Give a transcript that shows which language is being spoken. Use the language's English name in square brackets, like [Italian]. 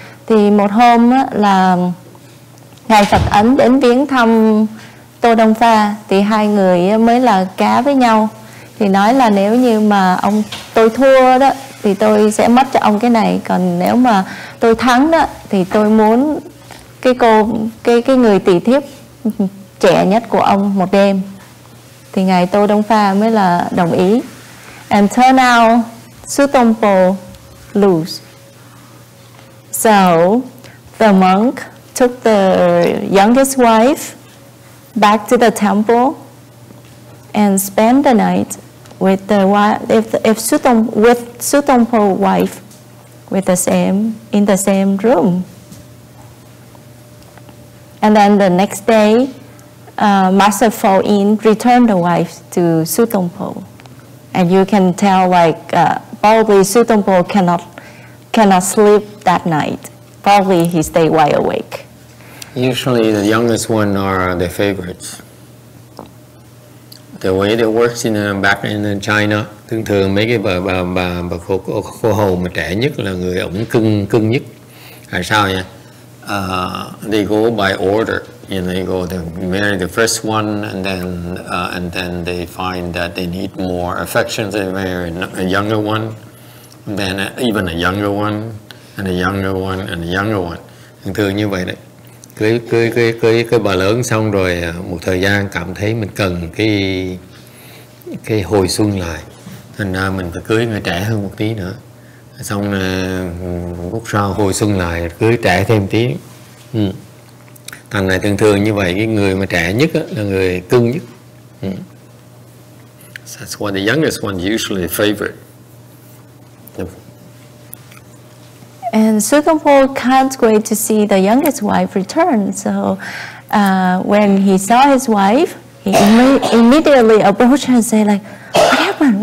[Vietnamese] Thì một hôm á, là ngài Phật Ấn đến viếng thăm Tô Đông Pha, thì hai người mới là cá với nhau, thì nói là nếu như mà ông tôi thua đó thì tôi sẽ mất cho ông cái này, còn nếu mà tôi thắng đó thì tôi muốn cái người tỷ thiếp trẻ nhất của ông một đêm. Thì ngài Tô Đông Pha mới là đồng ý. [English] And turn out Su Dong Po lose. So the monk took the youngest wife back to the temple and spent the night with the wife, with Su Dong Po's wife, in the same room. And then the next day, must have fallen in, return the wife to Sutongpo. And you can tell, like, probably Sutongpo cannot sleep that night. Probably he stayed wide awake. Usually the youngest one are the favorites. The way it works in back in China, [Vietnamese] thường thường mấy cái bà cô hầu mà trẻ nhất là người ổng cưng nhất. Tại sao nha? [English] They go by order, you know, they go to marry the first one and then they find that they need more affection, they marry a younger one, and then even a younger one, and a younger one, and a younger one. [Vietnamese] Thường thường như vậy đấy. Cưới bà lớn xong rồi một thời gian cảm thấy mình cần cái hồi xuân lại, thành ra mình phải cưới người trẻ hơn một tí nữa, xong lúc sau hồi xuân lại cưới trẻ thêm tí. Thằng này thường thường như vậy, cái người mà trẻ nhất á, là người cưng nhất. [English] That's why the youngest one usually a favorite. And Sutongpo can't wait to see the youngest wife return. So when he saw his wife, he immediately approached her and said, like, what happened?